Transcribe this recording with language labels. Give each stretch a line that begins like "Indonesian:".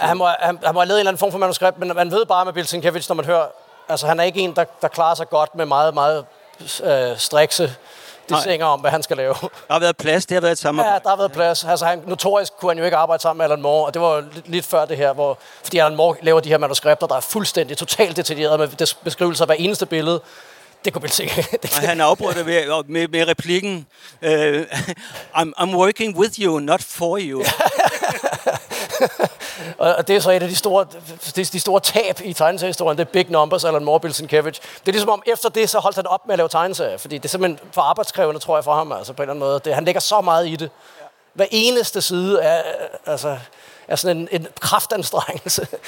Danish: Ja, han må have lavet en eller anden form for manuskript, men man ved bare med Bill Sienkiewicz, når man hører, altså han er ikke en, der klarer sig godt med meget, meget strikse de synger om, hvad han skal lave. Der har været plads, det har været et samarbejde. Ja, der har været plads. Altså, han, notorisk kunne han jo ikke arbejde sammen med Alan Moore, og det var lidt før det her, hvor, fordi Alan Moore laver de her manuskripter, der er fuldstændig totalt detaljeret med beskrivelser af hver eneste billede. Det kunne vi ikke sige. Han afbrød det med replikken,
English: I'm working with you, not for you.
Danish: Og det er så et af de store tab i tegneseriehistorien, det er Big Numbers, Alan Moore, Bill Sienkiewicz. Det er ligesom om, efter det, så holdt han op med at lave tegneserier, fordi det er simpelthen for arbejdskrævende, tror jeg, for ham, altså på en eller anden måde. Det, han lægger så meget i det. Hver eneste side er sådan en kraftanstrengelse.